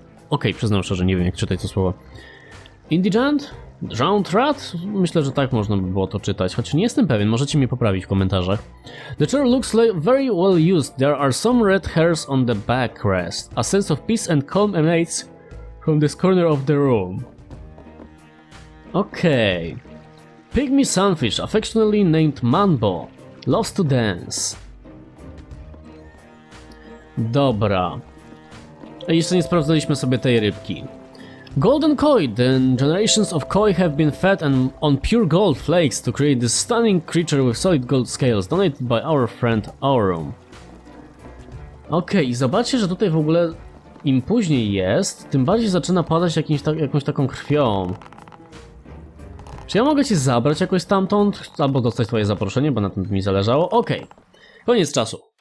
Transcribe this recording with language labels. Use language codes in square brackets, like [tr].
[pl] Okej, przyznam szczerze, nie wiem, jak czytać to słowo. Indigent? [en] Drowned rat? [pl] Myślę, że tak można by było to czytać, choć nie jestem pewien, możecie mnie poprawić w komentarzach. [en] The chair looks like very well used. There are some red hairs on the backrest. A sense of peace and calm emanates from this corner of the room. Okay. Pygmy sunfish, affectionately named Mambo, loves to dance. [pl] Dobra. A jeszcze nie sprawdzaliśmy sobie tej rybki. [en] Golden koi. The generations of koi have been fed and on pure gold flakes to create this stunning creature with solid gold scales, donated by our friend Aurum. [pl] Okej, okay, zobaczcie, że tutaj w ogóle im później jest, tym bardziej zaczyna padać jakąś taką krwią. Czy ja mogę cię zabrać jakoś stamtąd, albo dostać twoje zaproszenie, bo na tym by mi zależało? Okej, okay. Koniec czasu.